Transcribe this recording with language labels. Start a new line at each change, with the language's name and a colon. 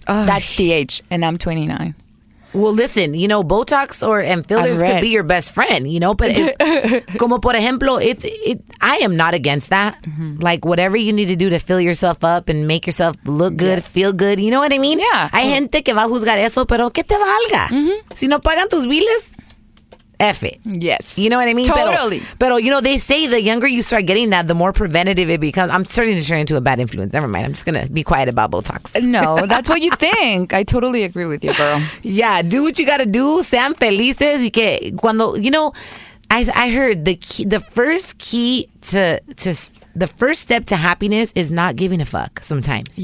English: Oh, that's the age, and I'm 29. Well, listen, you know, Botox and fillers could be your best friend, you know? But
Spanish: como por ejemplo,
English: I am not against that. Mm-hmm. Like, whatever you need to do to fill yourself up and make yourself look good, feel good, you know what I mean? Yeah.
Spanish: Hay gente que va a juzgar eso, pero que te valga. Mm-hmm. Si no pagan tus biles,
English: F it. Yes. You know what I mean? Totally. But you know, they say the younger you start getting that, the more preventative it becomes. I'm starting to turn into a bad influence. Never mind. I'm just going to be quiet about Botox. No, that's what you think. I totally agree with you, girl. Yeah. Do what you got to do.
Spanish: Sean felices. Y que cuando,
English: you know, I heard the first step to happiness is not giving a fuck sometimes.